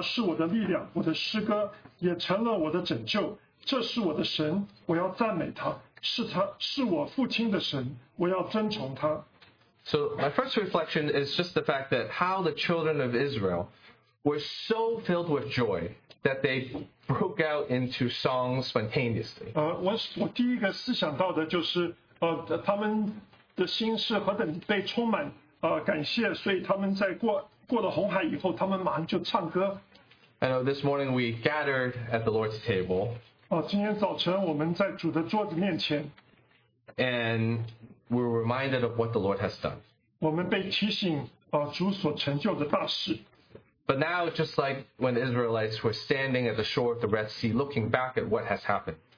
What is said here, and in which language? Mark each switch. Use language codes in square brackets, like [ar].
[zh] 那时摩西和以色列人向耶和华唱歌说：“我要向耶和华歌唱，因他大大战胜，将马和骑马的投在海中。耶和华是我的力量，我的诗歌也成了我的拯救。” 这是我的神，我要赞美他，是他是我父亲的神，我要尊崇他。 [en] So my first reflection is just the fact that how the children of Israel were so filled with joy that they broke out into songs spontaneously. [zh] 我第一个思想到的就是，他们的心是何等被充满感谢，所以他们在过了红海以后，他们马上就唱歌。 [en] And this morning we gathered at the Lord's table. [zh] 今天早晨我们在主的桌子面前。 [en] And we're reminded of what the Lord has done. [zh] 我们被提醒主所成就的大事。 [en] But now, just like when the Israelites were standing at the shore of the Red Sea, looking back at what has happened.